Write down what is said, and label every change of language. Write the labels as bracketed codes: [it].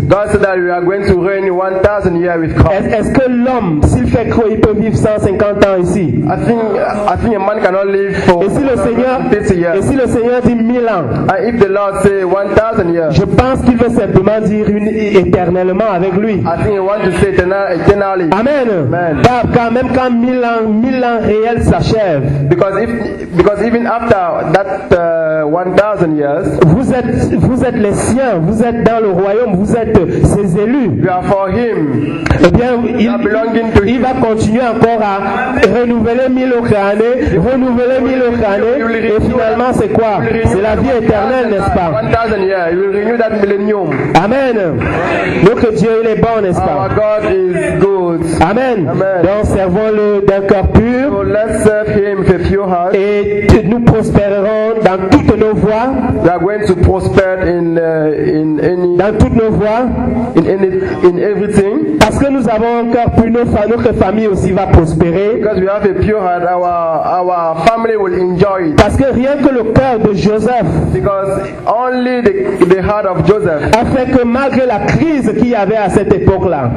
[en] God said that we are going to reign 1000 years with Christ. [fr] Est-ce que l'homme, s'il fait croire, il peut vivre 150 ans ici? [en] I think a man cannot live for 150 years. [fr] Et si le Seigneur dit 1000 ans? [en] And if the Lord say 1000 years? [fr] Je pense qu'il veut simplement dire une éternellement avec lui. [en] I think he wants to say eternally. Amen. [fr] Car même quand 1000 ans réels s'achèvent. [en] Because even after that 1000 years, [fr] vous êtes les siens, vous êtes dans le royaume, vous êtes ses élus. [en] You are for him. [fr] Eh bien, il va continuer encore à renouveler 1000 autres années, renouveler 1000 autres années, et finalement c'est quoi? C'est la vie éternelle, n'est-ce pas? [en] 1000 years, you will renew that millennium. Amen. [fr] Notre Dieu, il est bon, n'est-ce pas? [en] Our God is good. Amen. Amen. [fr] Donc servons-le d'un cœur pur. [en] So let's serve him with a pure heart. [fr] Et nous prospérerons dans toutes nos voies. [en] We are going to prosper in any. [fr] Dans toutes nos voies. [en] In everything. [fr] Parce que nous avons un cœur pur, notre famille aussi va prospérer. [en] Because we have a pure heart, our family will enjoy it. [fr] Parce que rien que le cœur de Joseph. [en] Because only the heart of Joseph. [fr] A fait que malgré la crise qu'il y avait à cette époque-là.